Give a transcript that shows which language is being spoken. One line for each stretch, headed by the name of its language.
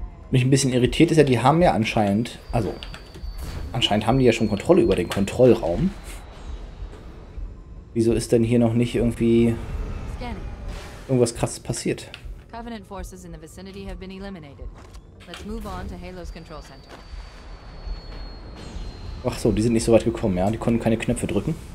German: Mich ein bisschen irritiert ist ja, die haben ja anscheinend, also anscheinend haben die ja schon Kontrolle über den Kontrollraum. Wieso ist denn hier noch nicht irgendwie irgendwas Krasses passiert?
English: Covenant forces in the vicinity have been eliminated. Let's move on to Halo's control center.
German: Ach so, die sind nicht so weit gekommen, ja, die konnten keine Knöpfe drücken.